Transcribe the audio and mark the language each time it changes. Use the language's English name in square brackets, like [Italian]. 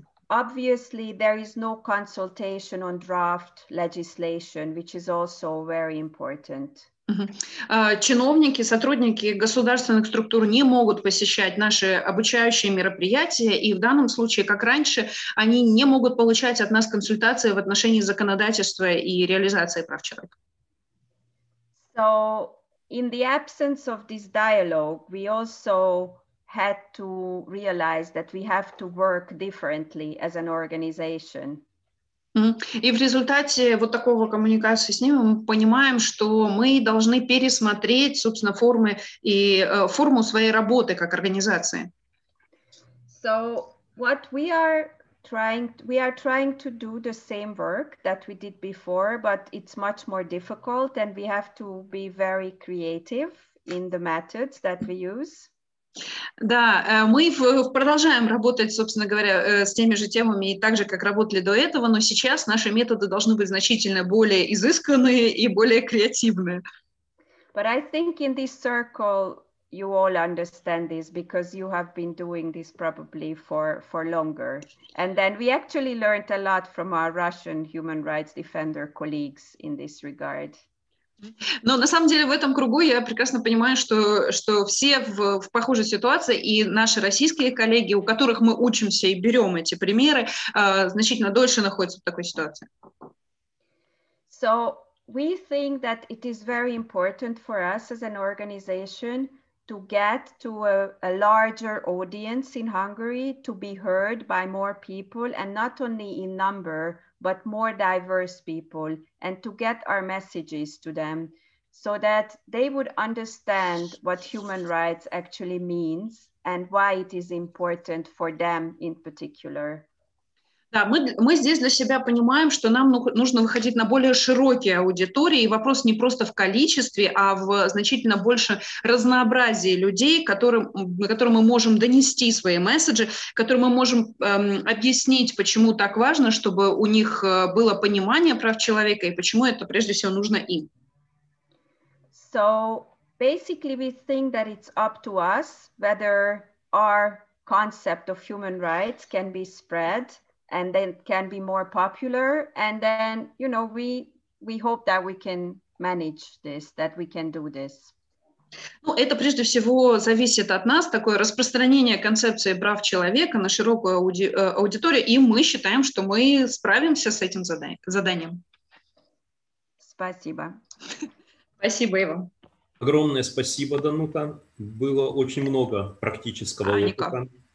[English] Obviously, there is no consultation on draft legislation, which is also very important. [Russian] Чиновники, сотрудники государственных структур не могут посещать наши обучающие мероприятия, и в данном случае, как раньше, они не могут получать от нас консультации в отношении законодательства и реализации прав человека. [English] So, in the absence of this dialogue, we also had to realize that we have to work differently as an organization. [Russian] И в результате вот такого коммуникации с ними мы понимаем, что мы должны пересмотреть, собственно, формы и форму своей работы как организации. [English] So what we are trying to do the same work that we did before, but it's much more difficult, and we have to be very creative in the methods that we use. [Russian] Да, мы продолжаем работать, собственно говоря, с теми же темами и так же, как работали до этого, но сейчас наши методы должны быть значительно более изысканные и более креативные. [English] But I think in this circle you all understand this because you have been doing this probably for longer. And then we actually learned a lot from our Russian human rights defender colleagues in this regard. [Russian] Но на самом деле в этом кругу я прекрасно понимаю, что все в похожей ситуации, и наши российские коллеги, у которых мы учимся и берем эти примеры, значительно дольше находятся в такой ситуации. [English] So we think that it is very important for us as an organization to get to a larger audience in Hungary, to be heard by more people, and not only in number, but more diverse people, and to get our messages to them so that they would understand what human rights actually means and why it is important for them in particular. [Russian] Да, мы здесь для себя понимаем, что нам нужно выходить на более широкие аудитории, и вопрос не просто в количестве, а в значительно больше разнообразии людей, которым мы можем донести свои месседжи, которым мы можем объяснить, почему так важно, чтобы у них было понимание прав человека и почему это прежде всего нужно им. [English] So basically we think that it's up to us whether our concept of human rights can be spread and then can be more popular, and then, you know, we hope that we can manage this, that we can do this. [Russian] Ну, это прежде всего зависит от нас, такое распространение концепции прав человека на широкую аудиторию, и мы считаем, что мы справимся с этим заданием. Спасибо. Спасибо, Ива. Огромное спасибо, Данута. Было очень много практического опыта.